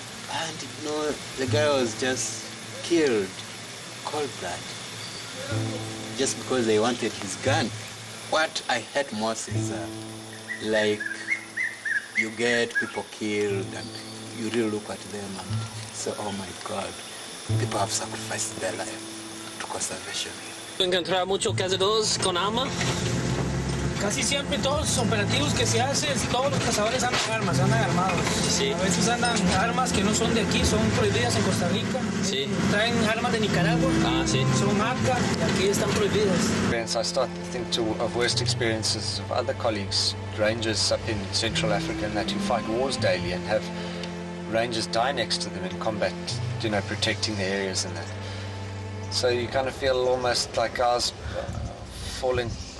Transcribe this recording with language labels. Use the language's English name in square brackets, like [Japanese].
[English] And, you know, the guy was just killed, cold blood, just because they wanted his gun. What I hate most is, you get people killed and you really look at them and say, oh my God, people have sacrificed their life to conservation. [Spanish] We encontrar muchos cazadores con arma. Casi siempre todos los operativos que se hacen, todos los cazadores andan armados. Sí. A veces andan armas que no son de aquí, son prohibidas en Costa Rica. Sí. Traen armas de Nicaragua. Ah, sí. Son marca y aquí están prohibidas. [English] I start to think of worst experiences of other colleagues, rangers up in Central Africa, and that who fight wars daily and have rangers die next to them in combat, you know, protecting the areas and that. So you kind of feel almost like ours falling.